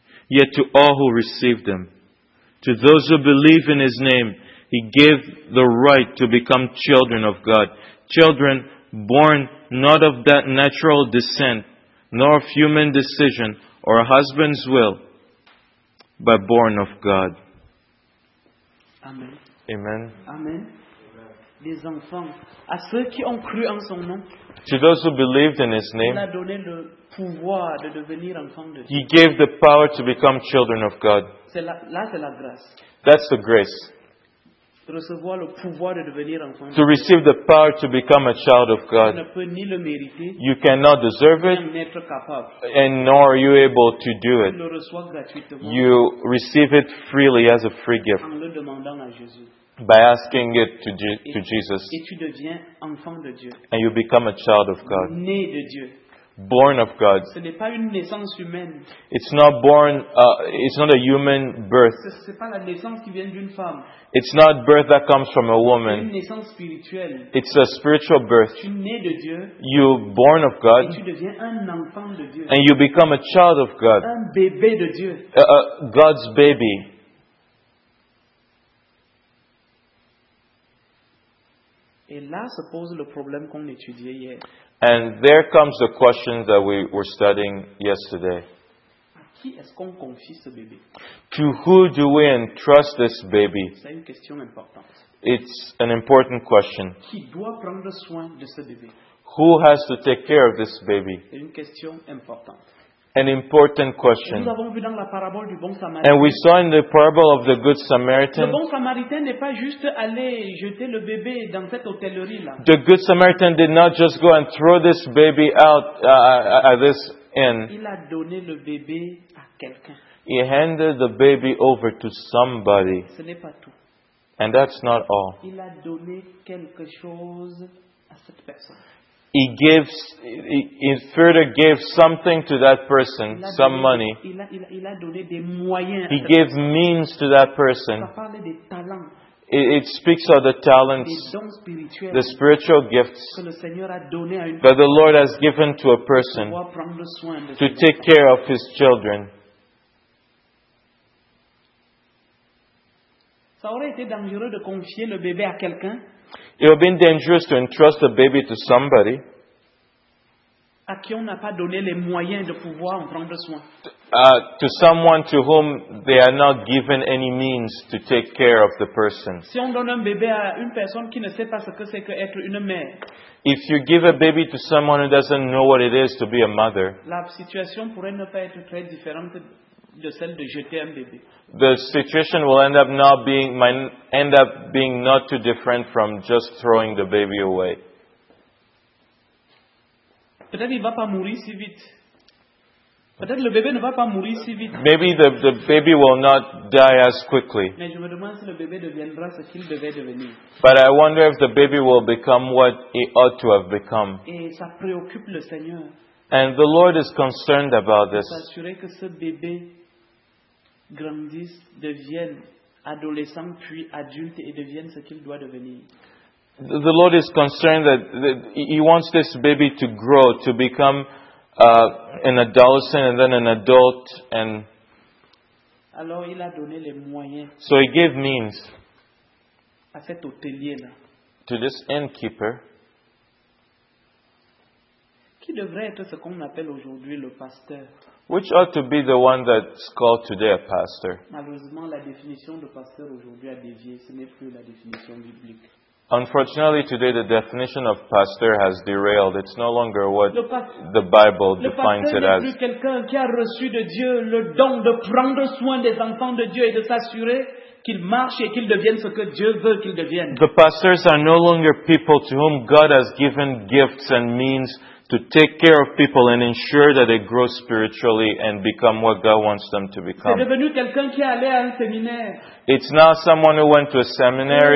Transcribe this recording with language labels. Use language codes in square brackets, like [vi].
[en] Yet to all who received him, to those who believe in his name, he gave the right to become children of God. Children born not of that natural descent, nor of human decision or a husband's will, but born of God. Amen. Amen. Amen. [fr] Les enfants, à ceux qui ont cru en son nom, [en] to those who believed in his name, [fr] il a donné le pouvoir de devenir enfant de Dieu. [en] He gave the power to become children of God. [fr] C'est la grâce. [en] That's the grace. [fr] De recevoir le pouvoir de devenir enfant de Dieu. [en] To receive the power to become a child of God. [fr] Tu ne peux ni le mériter, [en] you cannot deserve it, [fr] ni être capable, [en] and nor are you able to do it. [fr] Tu le reçois gratuitement. [en] You receive it freely as a free gift. [fr] En le demandant à Jésus. [en] By asking it to Jesus. [fr] Et tu deviens enfant de Dieu. [en] And you become a child of God. [fr] Né de Dieu. [en] Born of God. [fr] Ce n'est pas une naissance humaine. [en] It's not born, it's not a human birth. [fr] C'est pas la naissance qui vient d'une femme. [en] It's not birth that comes from a woman. [fr] C'est une naissance spirituelle. [en] It's a spiritual birth. [fr] Tu es né de Dieu. [en] You're born of God. [fr] Et tu deviens un enfant de Dieu. [en] And you become a child of God. [fr] Un bébé de Dieu. [en] God's baby. [fr] Et là se pose le problème qu'on étudiait hier. [en] And there comes the question that we were studying yesterday. [fr] À qui est-ce qu'on confie ce bébé? [en] To who do we entrust this baby? [fr] C'est une question importante. [en] It's an important question. [fr] Qui doit prendre soin de ce bébé? [en] Who has to take care of this baby? [fr] C'est une question importante. [en] An important question. [fr] Nous avons vu dans la parabole du bon Samaritain. [en] And we saw in the parable of the good Samaritan. [fr] Le bon Samaritain n'est pas juste allé jeter le bébé dans cette hôtellerie là. [en] The good Samaritan did not just go and throw this baby out at this inn. [fr] Il a donné le bébé à quelqu'un. [en] He handed the baby over to somebody. [fr] Ce n'est pas tout. [en] And that's not all. [fr] Il a donné quelque chose à cette personne. [en] He further gave something to that person, some money. He gave means to that person. It speaks of the talents, the spiritual gifts that the Lord has given to a person to take care of his children. [fr] Ça aurait été dangereux de confier le bébé à quelqu'un. [en] It would have been dangerous to entrust a baby to somebody [fr] à qui on n'a pas donné les moyens de pouvoir en prendre soin. [en] To someone to whom they are not given any means to take care of the person. [fr] Si on donne un bébé à une personne qui ne sait pas ce que c'est qu'être une mère. [en] If you give a baby to someone who doesn't know what it is to be a mother. [fr] La situation pourrait ne pas être très différente de celle de jeter un bébé. [en] The situation will end up not being, might end up being not too different from just throwing the baby away. [fr] Peut-être il va pas mourir si vite. Peut-être le bébé ne va pas mourir si vite. [en] Maybe the baby will not die as quickly. [fr] Mais je me demande si le bébé deviendra ce qu'il devait devenir. [en] But I wonder if the baby will become what it ought to have become. [fr] Et ça préoccupe le Seigneur. [en] And the Lord is concerned about this. [fr] S'assurer que ce bébé grandisse, devienne adolescent puis adulte et devienne ce qu'il doit devenir. [en] The Lord is concerned that he wants this baby to grow, to become an adolescent and then an adult. And [fr] alors, il a donné les moyens. [en] So he gave means [fr] à cet hôtelier-là. [en] To this innkeeper. [fr] Qui devrait être ce qu'on appelle aujourd'hui le pasteur? [en] Which ought to be the one that's called today a pastor? [fr] Malheureusement, la définition de pasteur aujourd'hui a dévié. Ce n'est plus la définition biblique. [en] Unfortunately, today the definition of pastor has derailed. It's no longer what the Bible defines it as. [fr] Quelqu'un qui a reçu de Dieu le don de prendre soin des enfants de Dieu et de s'assurer qu'ils marchent et qu'ils deviennent ce que Dieu veut qu'ils deviennent. [en] The pastors are no longer people to whom God has given gifts and means to take care of people and ensure that they grow spiritually and become what God wants them to become. [fr] C'est devenu quelqu'un qui est allé à un séminaire. [en] It's now someone who went to a seminary